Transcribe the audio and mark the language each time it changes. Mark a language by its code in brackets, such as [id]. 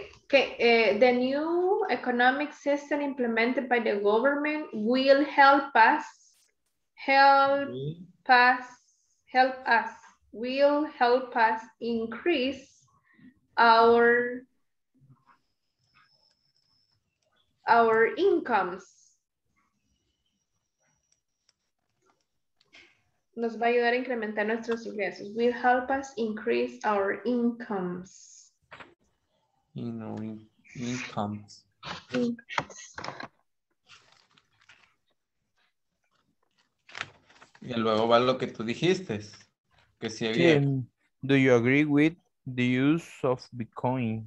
[en] The new economic system implemented by the government will help us increase our incomes. [es] Nos va a ayudar a incrementar nuestros ingresos. [en] Will help us increase our incomes. Incomes. [es] Y luego va lo que tú dijiste, que si había... [en] Tim, do you agree with the use of Bitcoin?